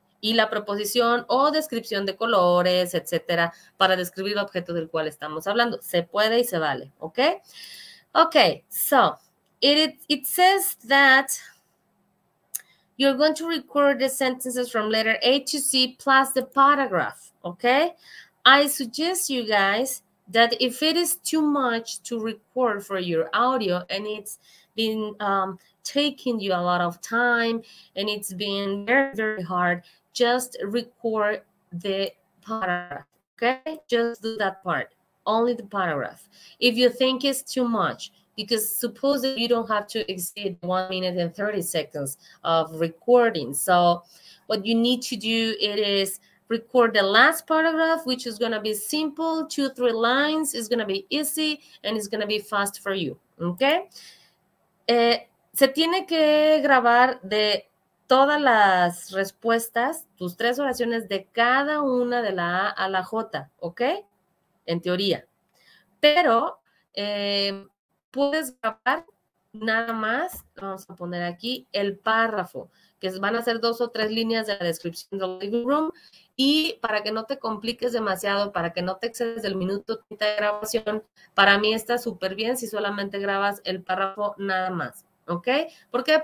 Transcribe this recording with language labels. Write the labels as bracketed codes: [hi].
[es] Y la preposición o descripción de colores, etcétera, para describir el objeto del cual estamos hablando. Se puede y se vale, okay? [en] Okay, so it says that you're going to record the sentences from letter A to C plus the paragraph, okay? I suggest you guys that if it is too much to record for your audio and it's been taking you a lot of time and it's been very, very hard, just record the paragraph, okay? Just do that part, only the paragraph. If you think it's too much, because suppose that you don't have to exceed 1 minute and 30 seconds of recording. So what you need to do, it is record the last paragraph, which is going to be simple, 2-3 lines, is going to be easy, and it's going to be fast for you, okay? [es] Se tiene que grabar de todas las respuestas, tus 3 oraciones de cada una de la A a la J, okay? En teoría. Pero puedes grabar nada más, vamos a poner aquí, el párrafo, que van a ser 2 o 3 líneas de la descripción del living room, y para que no te compliques demasiado, para que no te excedes del minuto 30 de grabación, para mí está súper bien si solamente grabas el párrafo nada más, ¿ok? ¿Por qué?